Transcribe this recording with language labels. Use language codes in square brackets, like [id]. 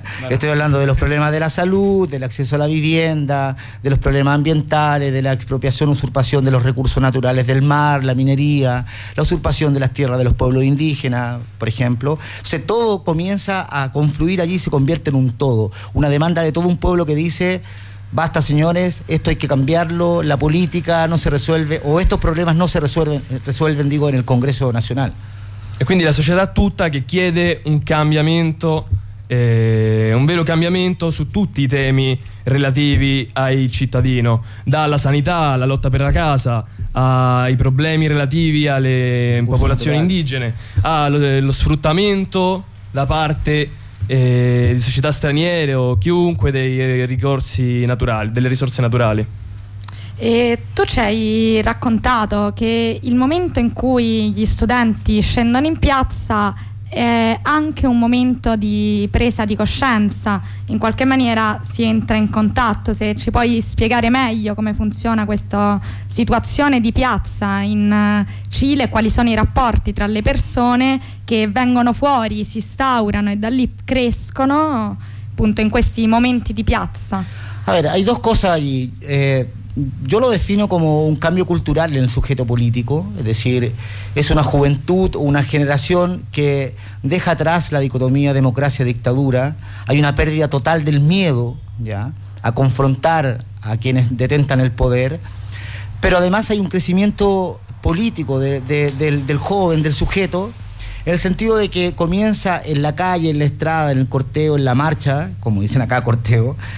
[es] Estoy hablando de los problemas de la salud, del acceso a la vivienda, de los problemas ambientales, de la expropiación, usurpación de los recursos naturales del mar, la minería, la usurpación de las tierras de los pueblos indígenas, por ejemplo. O sea, todo comienza a confluir allí y se convierte en un todo, una demanda de todo un pueblo que dice: basta, señores, esto hay que cambiarlo, la política no se resuelve, o estos problemas no se resuelven, digo, en el Congreso Nacional. [it] E quindi la società tutta che chiede un cambiamento, un vero cambiamento su tutti i temi relativi ai cittadini, dalla sanità, alla lotta per la casa, ai problemi relativi alle popolazioni indigene, allo sfruttamento da parte di società straniere o chiunque dei ricorsi naturali, delle risorse naturali. E tu ci hai raccontato che il momento in cui gli studenti scendono in piazza è anche un momento di presa di coscienza, in qualche maniera si entra in contatto. Se ci puoi spiegare meglio come funziona questa situazione di piazza in Cile, quali sono i rapporti tra le persone che vengono fuori, si instaurano e da lì crescono, appunto, in questi momenti di piazza. [es] A ver, hay dos cosas ahí. Yo lo defino como un cambio cultural en el sujeto político, es decir, es una juventud, una generación que deja atrás la dicotomía democracia-dictadura. Hay una pérdida total del miedo, ¿ya?, a confrontar a quienes detentan el poder, pero además hay un crecimiento político del joven, del sujeto, en el sentido de que comienza en la calle, en la estrada, en el corteo, en la marcha, como dicen acá, corteo,